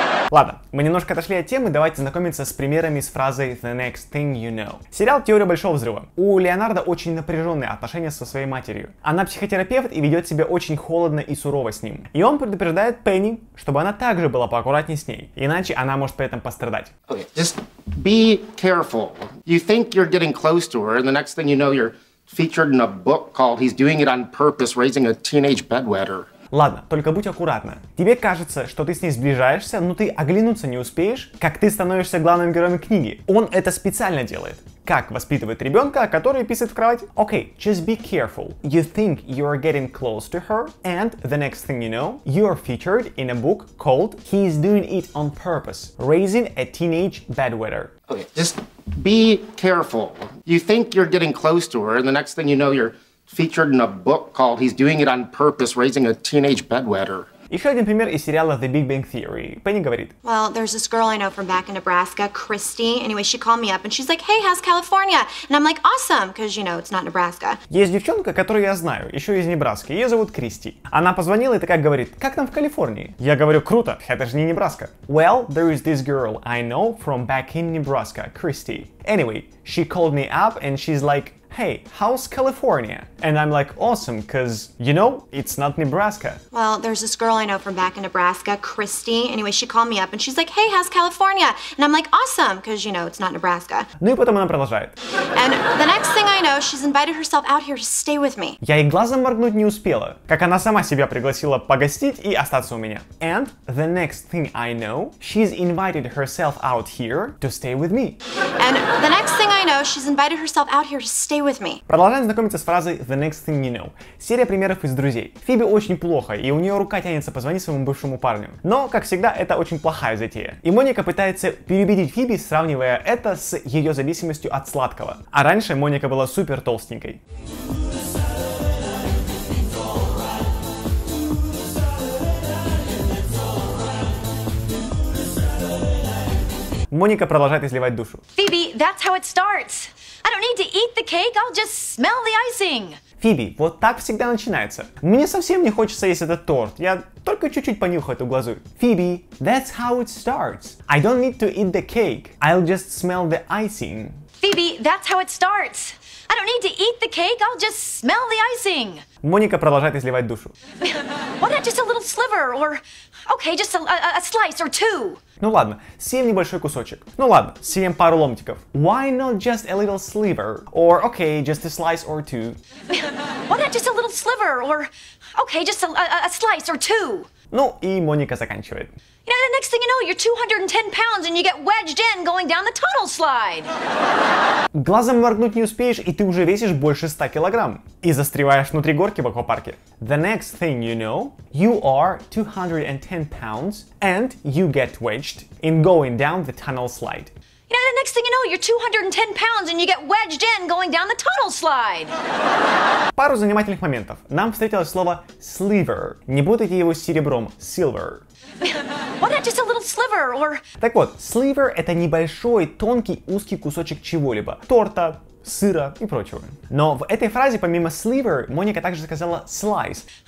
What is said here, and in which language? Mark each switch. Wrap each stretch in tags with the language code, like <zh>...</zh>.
<ru>Ладно, мы немножко отошли от темы, давайте знакомиться с примерами с фразой</ru> <en>«the next thing you know».</en> <ru>Сериал «Теория большого взрыва». У Леонардо очень напряженные отношения со своей матерью. Она психотерапевт и ведет себя очень холодно и сурово с ним. И он предупреждает Пенни, чтобы она также была поаккуратнее с ней, иначе она может при этом пострадать.</ru> <en>Okay, just be careful. You think you're getting close to her, and the next thing you know, you're... Featured in a book called "He's Doing It on Purpose: Raising a Teenage Bedwetter".</en> <ru>Ладно, только будь аккуратна. Тебе кажется, что ты с ней сближаешься, но ты оглянуться не успеешь, как ты становишься главным героем книги. Он это специально делает. Как воспитывает ребенка, который писает в кровать?</ru> <en>Okay, just be careful. You think you're getting close to her, and the next thing you know, you're featured in a book called "He's Doing It on Purpose: Raising a Teenage Bedwetter". Okay, just be careful. You think you're getting close to her, and the next thing you know, you're featured in a book called "He's Doing It on Purpose: Raising a Teenage Bedwetter".</en> <ru>Еще один пример из сериала The Big Bang Theory. Пенни говорит:</ru> <en>Well, there's this girl I know from back in Nebraska, Christy. Anyway, she called me up and she's like, Hey, how's California? And I'm like, Awesome, because you know, it's not Nebraska.</en> <ru>Есть девчонка, которую я знаю, еще из Небраски. Ее зовут Кристи. Она позвонила и такая говорит: Как там в Калифорнии? Я говорю: Круто, это же не Небраска.</ru> <en>Well, there is this girl I know from back in Nebraska, Christy. Anyway, she called me up and she's like, Hey, how's California? And I'm like, awesome, because, you know, it's not Nebraska. Well, there's this girl I know from back in Nebraska, Christy. Anyway, she called me up and she's like, Hey, how's California? And I'm like, awesome, because, you know, it's not Nebraska.</en> <ru>Ну и потом она продолжает.</ru> <en>And the next thing I know, she's invited herself out here to stay with me.</en> <ru>Я и глазом моргнуть не успела, как она сама себя пригласила погостить и остаться у меня.</ru> <en>And the next thing I know, she's invited herself out here to stay with me. And the next thing I know, she's invited herself out here to stay with me.</en> <ru>Продолжаем знакомиться с фразой</ru> <en>The next thing you know.</en> <ru>Серия примеров из друзей. Фиби очень плохо, и у нее рука тянется позвонить своему бывшему парню. Но, как всегда, это очень плохая затея. И Моника пытается переубедить Фиби, сравнивая это с ее зависимостью от сладкого. А раньше Моника была супер толстенькой. Моника продолжает изливать душу.</ru> <en>Фиби, that's how it starts. I don't need to eat the cake, I'll just smell the icing.</en> <ru>Фиби, вот так всегда начинается. Мне совсем не хочется есть этот торт. Я только чуть-чуть понюхаю эту глазурь.</ru> <en>Фиби, that's how it starts. I don't need to eat the cake, I'll just smell the icing. Фиби, that's how it starts. I don't need to eat the cake, I'll just smell the icing.</en> <ru>Моника продолжает изливать душу.</ru> <en>Why not just a little sliver, or... Okay, just a slice or two.</en> <ru>Ну ладно, съем небольшой кусочек. Ну ладно, съем пару ломтиков.</ru> <en>Why not just a little sliver? Or okay, just a slice or two. Why not just a little sliver? Or okay, just a slice or two.</en> <ru>Ну, и Моника заканчивает.</ru> <en>You know, the next thing you know, you're 210 pounds and you get wedged in going down the tunnel slide.</en> <ru>Глазом моргнуть не успеешь, и ты уже весишь больше 100 килограмм. И застреваешь внутри горки в аквапарке.</ru> <en>The next thing you know, you are 210 pounds and you get wedged in going down the tunnel slide. You know, the next thing you know, you're 210 pounds and you get wedged in going down the tunnel slide.</en> <ru>Пару занимательных моментов. Нам встретилось слово sliver. Не путайте его с серебром, silver.</ru> <en>Why not just a little sliver or...</en> <ru>Так вот, sliver — это небольшой, тонкий, узкий кусочек чего-либо. Торта, сыра и прочего. Но в этой фразе, помимо sliver, Моника также сказала slice.</ru>